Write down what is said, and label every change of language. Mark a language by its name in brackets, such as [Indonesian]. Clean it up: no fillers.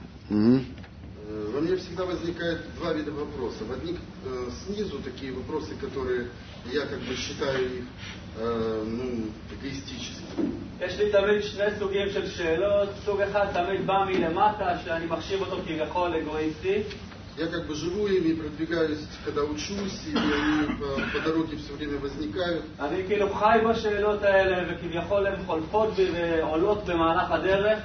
[Russian] Во мне всегда возникает два вида вопросов. Одни снизу такие вопросы, которые я как бы считаю их эгоистическими. Если там есть несугем [Hebrew] של שאלות, סוג אחד תמיד בא מלמטה שאני מחשיב אותו כביכול אגואיסטי. [Russian] Я как бы живу ими, продвигаюсь, когда учусь, и они по дороге все время возникают. [Hebrew] אני כאילו חי בשאלות האלה וכביכול הן חולפות בי ועולות במהלך הדרך.